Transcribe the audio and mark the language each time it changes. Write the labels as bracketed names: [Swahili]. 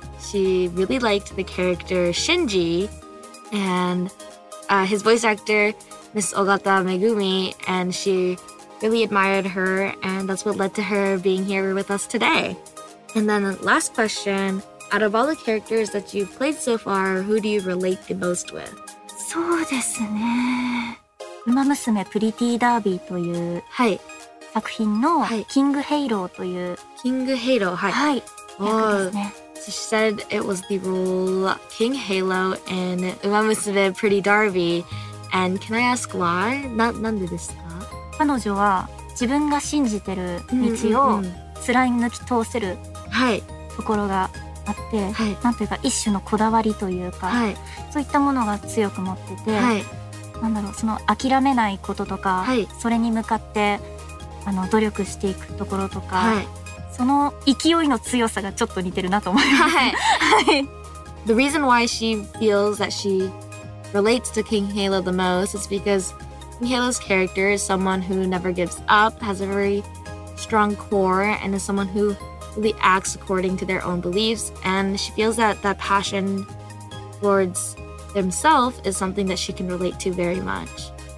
[English] She really liked the character Shinji, and his voice actor Miss Ogata Megumi, and she really admired her, and that's what led to her being here with us today. And then last question, out of all the characters that you've played so far, who do you relate the most with? [Japanese] そうですね。ウマ娘プリティダービーという作品のキングヘイローという。キングヘイロー、はい。はい。Oh, [English] So she said it was the role King Halo in Umamusume Pretty Darby. And can I ask why? [Japanese] なんでですか? 彼女は自分が信じてる道を貫き通せるところがあって、はい、なんというか一種のこだわりというか、はい、そういったものが強く持ってて、はい、なんだろう、その諦めないこととか、はい、それに向かってあの努力していくところとか、はい、その勢いの強さがちょっと似てるなと思います、はい、はい、 [English] The reason why she feels that she relates to King Halo the most is because King Halo's character is someone who never gives up, has a very strong core, and is someone who really acts according to their own beliefs. And she feels that that passion towards themselves is something that she can relate to very much.